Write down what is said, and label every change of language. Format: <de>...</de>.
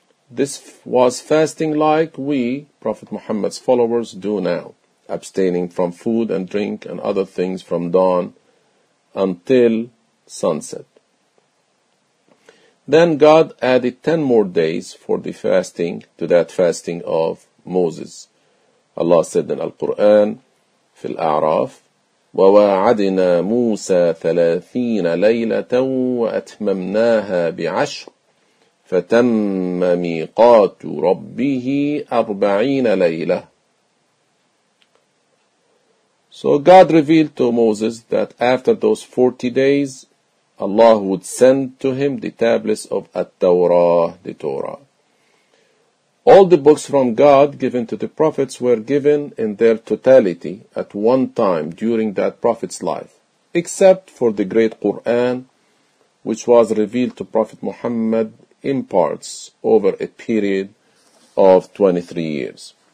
<en>This was fasting like we, Prophet Muhammad's followers, do now, abstaining from food and drink and other things from dawn until sunset. Then God added 10 more days for the fasting to that fasting of Moses. Allah said in Al-Quran,</en> <ar>في الأعراف, وَوَاعَدْنَا مُوسَى 30 لَيْلَةً وَأَتْمَمْنَاهَا بِعَشْرٍ فَتَمَّ مِيقَاتُ رَبِّهِ 40 لَيْلَةً.</ar> <en>So God revealed to Moses that after those 40 days, Allah would send to him the tablets of At-Tawrah, the Torah. All the books from God given to the prophets were given in their totality at one time during that prophet's life, except for the great Quran, which was revealed to Prophet Muhammad in parts over a period of 23 years.</en>